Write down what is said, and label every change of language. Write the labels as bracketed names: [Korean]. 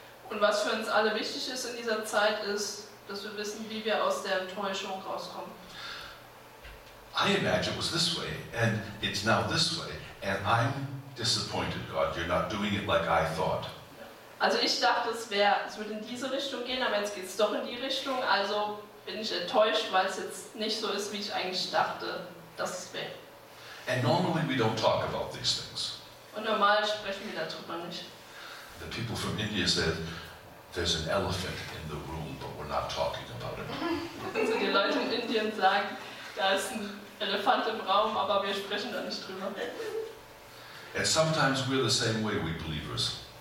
[German] Und was für uns alle wichtig ist in dieser Zeit ist, dass wir wissen, wie wir aus der Enttäuschung rauskommen. [English] I imagine it was this way, and it's now this way, and I'm disappointed, God, you're not doing it like I thought. [German] Also ich dachte, es würde in diese Richtung gehen, aber jetzt geht es doch in die Richtung, also bin ich enttäuscht, weil es jetzt nicht so ist, wie ich eigentlich dachte, dass es wäre. [English] And normally we don't talk about these things. [German] Und normal sprechen wir darüber nicht. [English] The people from India said, there's an elephant in the room, but we're not talking about it. [German] Also die Leute in Indien sagen, da ist ein Elefant im Raum, aber wir sprechen da nicht drüber. [English] And sometimes we're the same way, we believers.